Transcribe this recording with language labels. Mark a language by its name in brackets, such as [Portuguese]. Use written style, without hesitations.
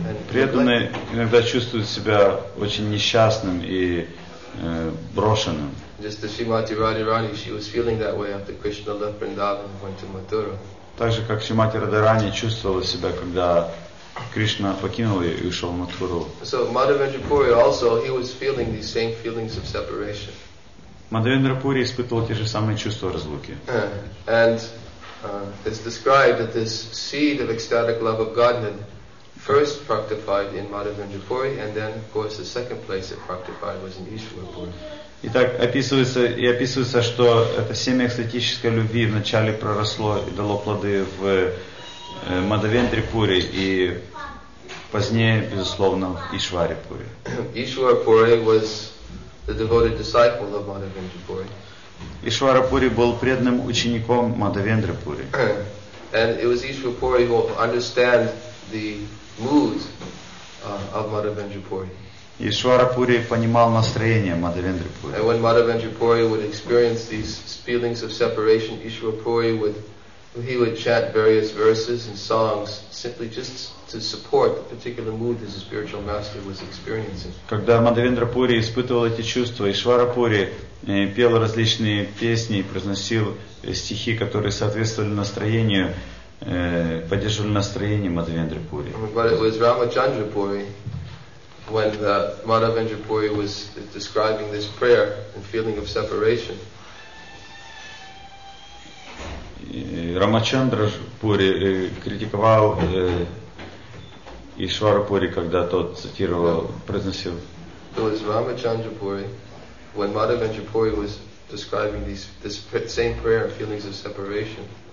[Russian] Преданный иногда чувствует себя очень несчастным и брошенным. [English] Just as Shrimati Radharani, she was feeling that way after Krishna left Vrindavan and went to Mathura. [Russian] Так же, как Шримати Радхарани чувствовала себя, когда Кришна покинул ее и ушел в Матхуру. [English] So Madhavendra Puri also, he was feeling these same feelings of separation. [Russian] Madhavendra Puri испытывал те же самые чувства разлуки. [English] And it's described that this seed of ecstatic love of Godhead first fructified in Madhavendra Puri, and then, of course, the second place it fructified was in Ishwara Puri. [Russian] Итак, описывается и описывается, что это семя экстатической любви вначале проросло и дало плоды в Мадхавендре Пури и позднее, безусловно, в Ишваре Пури. [English] Ишвара Пури was the devoted disciple of Мадхавендре Пури. [Russian] Ишвара Пури был преданным учеником Мадхавендре Пури. [English] And it was Ишвара Пури who understand the mood of Мадхавендре Пури. [Russian] И Ишвара Пури понимал настроение Мадхавендры Пури. [English] And when Madhavendra Puri would experience these feelings of separation, Ишвара Пури would chant various verses and songs simply just to support the particular mood that his spiritual master was experiencing. [Russian] Когда Мадхавендра Пури испытывал эти чувства, Ишвара Пури пел различные песни и произносил стихи, которые соответствовали настроению, поддерживали настроение Мадхавендры Пури. [English] But it was Рамачандра Пури. When Madhavendra Puri was describing this prayer and feeling of separation, [Russian] Рамачандра Пури критиковал Ишвара Пури, когда тот цитировал, произносил. [English] It was Рамачандра Пури when Madhavendra Puri was describing this same prayer and feelings of separation.